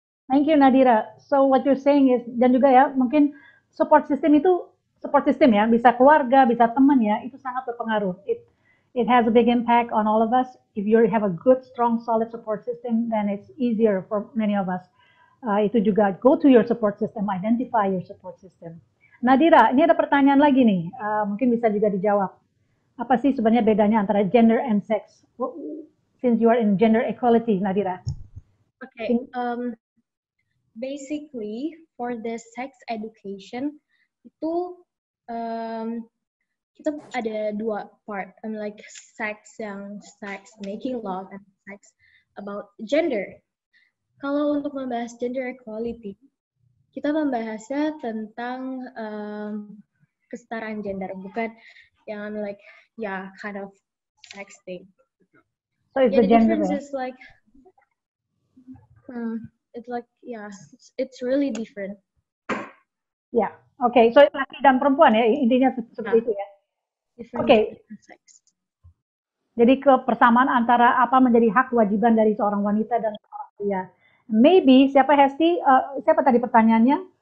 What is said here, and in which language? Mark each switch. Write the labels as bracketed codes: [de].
[en] Thank you Nadira. So what you're saying is, [id] dan juga ya mungkin support system itu, support system ya, bisa keluarga, bisa teman ya, itu sangat berpengaruh. [en] It has a big impact on all of us. If you have a good, strong, solid support system, then it's easier for many of us. [id] Itu juga, [en] go to your support system, identify your support system. [id] Nadira, ini ada pertanyaan lagi nih, mungkin bisa juga dijawab. Apa sih sebenarnya bedanya antara gender and sex? [en] Since you are in gender equality, [id] Nadira. [en] Okay. Basically, for the sex education, [id] itu kita ada dua [en] part. I'm like sex yang sex making love and sex about gender. [id] Kalau untuk membahas gender equality, kita membahasnya tentang kesetaraan gender, bukan yang [en] like yeah kind of sex thing. So it's the gender. Difference is like it's like yeah, it's really different. Yeah. Okay. [id] So laki dan perempuan ya, intinya seperti itu ya. Okay. Sex. Jadi kepersamaan antara apa menjadi hak kewajiban dari seorang wanita dan seorang pria. Maybe siapa Hesti, siapa tadi pertanyaannya?